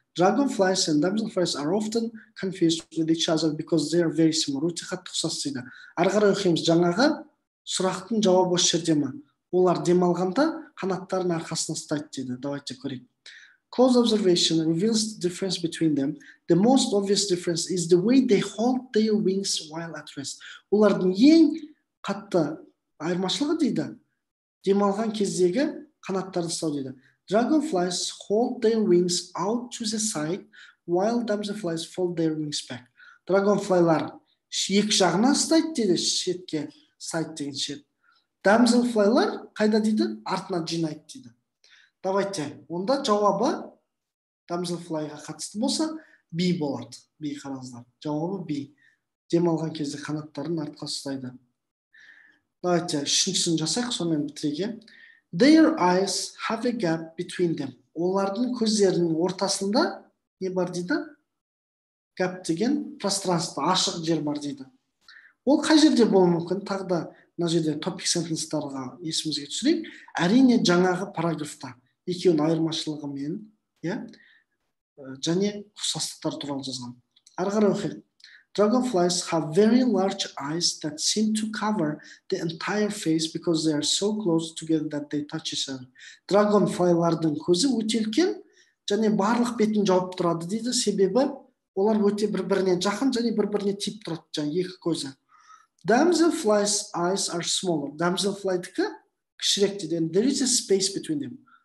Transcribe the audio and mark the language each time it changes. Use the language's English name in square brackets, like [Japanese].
[English] Dragonflies and damselflies are often confused with each other because they are very similar. [Kazakh] Өте қатты ұқсас дейді. Ары қарай оқимыз жаңағы сұрақтың жауабы осы жерде ме? Олар демалғанда қанаттарын арқасына ұстайды дейді. Давайте көрейік. [English] Close observation reveals the difference between them. The most obvious difference is the way they hold their wings while at rest. [Kazakh] Олардың ең қатты айырмашылығы дейді. Демалған кездегі қанаттарын ұстау дейді. [English] Dragonflies hold their wings out to the side while damselflies fold their wings back. [Kazakh] Dragonflylar екі жағына ұстайды дейді шетке, side деген шет. Damselflylar қайда дейді? Артына жинайды дейді. Давайте, онда жауабы damselflyға қатысты болса, B болады. B қараңыздар. Жауабы B. Демалған кезде қанаттарын артқа ұстайды. Давайте, үшіншісін жасайық, сонымен бітірейік. [English] Their eyes have a gap between them. [Kazakh] Олардың көздерінің ортасында не бар дейді? Gap деген пространство, ашық жер бар дейді. Ол қай жерде болуы мүмкін? Тағы да мына жерде topic sentence-тарға есімізге түсірейік. Әрине жаңағы параграфта екеуінің айырмашылығы мен, иә? Және ұқсастықтар туралы жазған. Ары қарай оқиық. [English] Dragonflies have very large eyes that seem to cover the entire face because they are so close together that they touch each other. [Kazakh] Dragonflylardың көзі өте үлкен және барлық бетін жауып тұрады дейді. Себебі олар өте бір-біріне жақын және бір-біріне тиіп тұрады жаңағы екі көзі. [English] Damselflies' eyes are smaller. [Kazakh] Damselfly-дікі кішірек дейді. [English] There is a space between them.